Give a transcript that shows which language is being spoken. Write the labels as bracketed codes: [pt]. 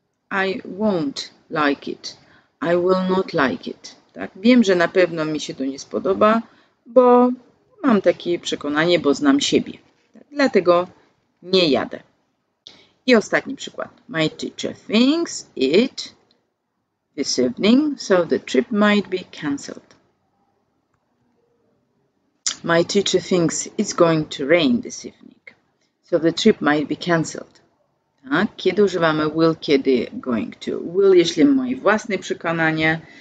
[en] I won't like it. I will not like it. Tak? [pl] Wiem, że na pewno mi się to nie spodoba, bo mam takie przekonanie, bo znam siebie. Tak? Dlatego nie jadę. I ostatni przykład. [en] My teacher thinks it this evening, so the trip might be cancelled. My teacher thinks it's going to rain this evening, so the trip might be cancelled. [pl] Tak? Kiedy używamy will, kiedy going to? Will, jeśli moje własne przekonanie,